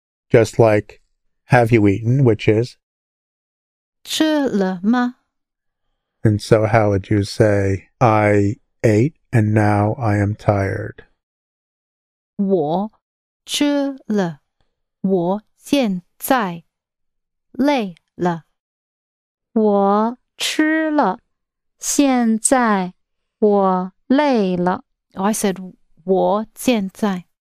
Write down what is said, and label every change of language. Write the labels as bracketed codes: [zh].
[en] Just like, have you eaten, which is? [zh] 吃了吗? [en] And so how would you say, I ate and now I am tired? [zh] 我吃了。我现在累了。我吃了。现在我累了。 [en] Oh, I said [zh] 我现在.